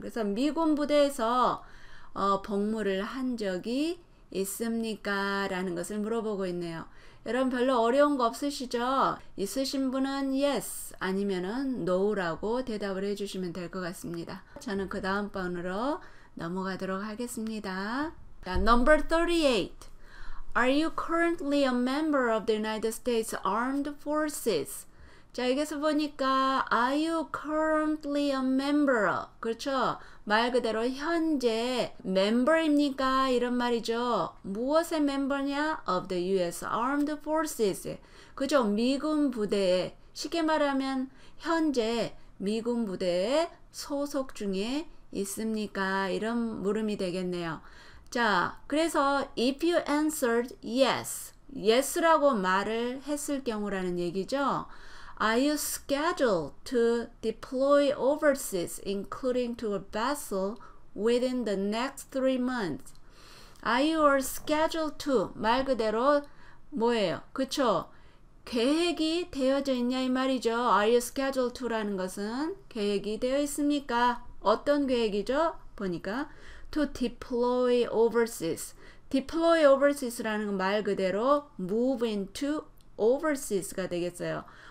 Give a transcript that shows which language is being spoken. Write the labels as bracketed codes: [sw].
[ko] 그래서 미군 부대에서 복무를 한 적이 있습니까? 라는 것을 물어보고 있네요. 여러분 별로 어려운 거 없으시죠? 있으신 분은 yes 아니면은 no라고 대답을 해주시면 될 것 같습니다. 저는 그 다음 번으로 넘어가도록 하겠습니다. [en] 자, number 38. Are you currently a member of the United States Armed Forces? 자, 여기서 보니까 Are you currently a member? 그렇죠? [ko] 말 그대로 현재 member입니까? 이런 말이죠. 무엇의 member냐? Of the U.S. [en] Armed Forces. 그죠? [ko] 미군 부대에, 쉽게 말하면 현재 미군 부대에 소속 중에 있습니까? 이런 물음이 되겠네요. 자, 그래서 If you answered yes, yes라고 말을 했을 경우라는 얘기죠. [en] Are you scheduled to deploy overseas, including to a vessel, within the next 3 months? Are you or scheduled to? 말 그대로 뭐예요? 그쵸? [ko] 계획이 되어져 있냐 이 말이죠. Are you scheduled to 라는 것은 계획이 되어 있습니까? 어떤 계획이죠? 보니까 to deploy overseas. Deploy overseas라는 건 말 그대로 move into overseas 가 되겠어요.